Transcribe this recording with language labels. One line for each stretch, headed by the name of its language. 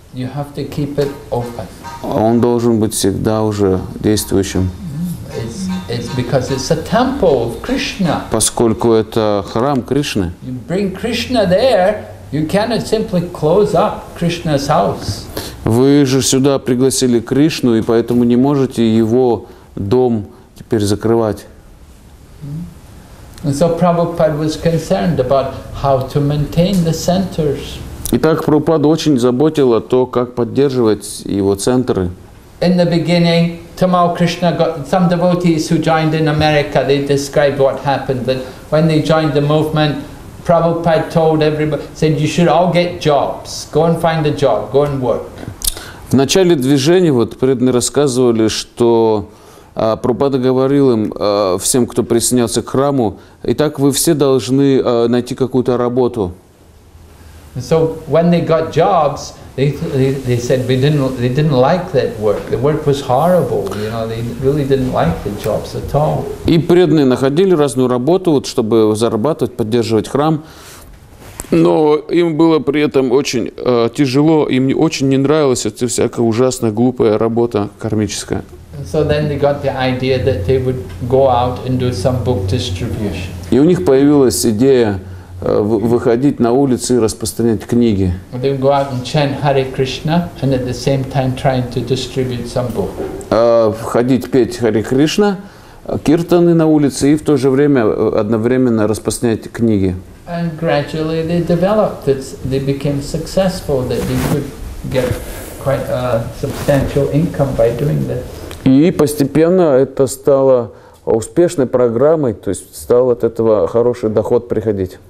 English: You have to keep it open.
Russian: Он должен быть всегда уже действующим.
English: It's because it's a temple of Krishna.
Russian: Поскольку это храм Кришны.
English: You bring Krishna there, you cannot simply close up Krishna's house.
Russian: Вы же сюда пригласили Кришну, и поэтому не можете его дом теперь закрывать.
English: And so Prabhupada was concerned about how to maintain the centers.
Russian: Итак, Прабхупада очень заботила то, как поддерживать его центры.
English: In the beginning, Tamal Krishna got some devotees who joined in America. They described what happened, that when they joined the movement, Prabhupada told everybody, said, you should all get jobs. Go and find a job. Go and work.
Russian: В начале движения вот преданные рассказывали, что Прабхупада говорил им всем, кто присоединялся к храму, итак, вы все должны найти какую-то работу.
English: So when they got jobs, they said they didn't like that work. The work was horrible. You know, they really didn't like the jobs at all.
Russian: И преданные находили разную работу, вот, чтобы зарабатывать, поддерживать храм, но им было при этом очень тяжело, им очень не нравилась эта всякая ужасная глупая работа кармическая.
English: So then they got the idea that they would go out and do some book distribution.
Russian: И у них появилась идея выходить на улицы и распространять книги.
English: They would go out and chant Hare Krishna and at the same time trying to distribute some book.
Russian: Ходить петь Hare Krishna, киртаны на улице и в то же время одновременно распространять книги.
English: And gradually they developed it. They became successful that they could get quite a substantial income by doing this.
Russian: И постепенно это стало успешной программой, то есть стал от этого хороший доход приходить.